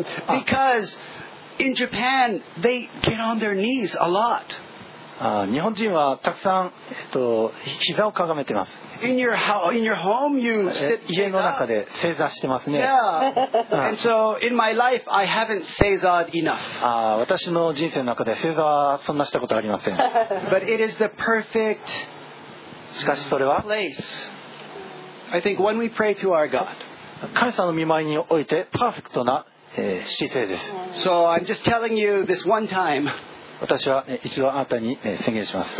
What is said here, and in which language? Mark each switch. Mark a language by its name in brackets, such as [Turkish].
[English] Because in Japan, they get on their knees a lot. [Japanese] 日本人はたくさん、膝をかがめてます。 [English] In your house, in your home, you sit, [Japanese] 家の中で正座してますね。 [English] Yeah. And so, in my life, [Japanese] あ、私の人生の中で正座はそんなしたことありません。 [English] But it is the perfect [Japanese] しかしそれは [English] place, I think, when we pray to our God. [Japanese] 神様の御前においてパーフェクトな、姿勢です。 [English] So I'm just telling you this one time. [Japanese] 私は一度あなたに宣言します。